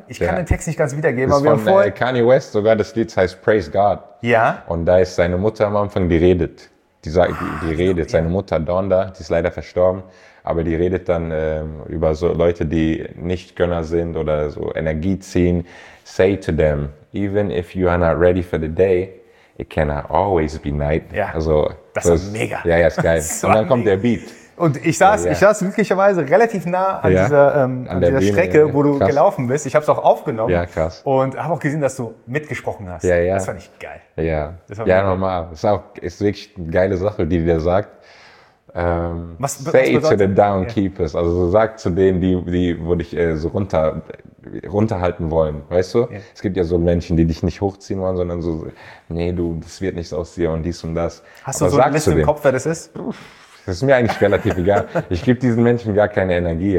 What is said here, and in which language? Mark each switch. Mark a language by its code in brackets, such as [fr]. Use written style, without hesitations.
[de] Ich kann den Text nicht ganz wiedergeben. Das ist von Kanye West sogar, das Lied heißt Praise God. Ja. Und da ist seine Mutter am Anfang, die redet. Seine Mutter Donda, die ist leider verstorben, aber die redet dann über so Leute, die nicht Gönner sind oder so Energie ziehen. [en] Say to them, even if you are not ready for the day, it cannot always be night. [de] Ja, also, das war mega. Ja, ja, ist geil. Und dann kommt der Beat. Und ich saß glücklicherweise relativ nah an dieser Biene, Strecke, wo du gelaufen bist. Ich habe es auch aufgenommen. Ja, krass. Und habe auch gesehen, dass du mitgesprochen hast. Ja, ja. Das fand ich geil. Ja, ja, normal. Ist wirklich eine geile Sache, die der sagt. [en] Say to the downkeepers. Ja. [de] Also sag zu denen, die wo dich so runterhalten wollen. Weißt du? Ja. Es gibt ja so Menschen, die dich nicht hochziehen wollen, sondern so, nee, du, das wird nichts aus dir und dies und das. Hast aber du so ein bisschen im Kopf, wer das ist? Das ist mir eigentlich relativ egal. Ich gebe diesen Menschen gar keine Energie.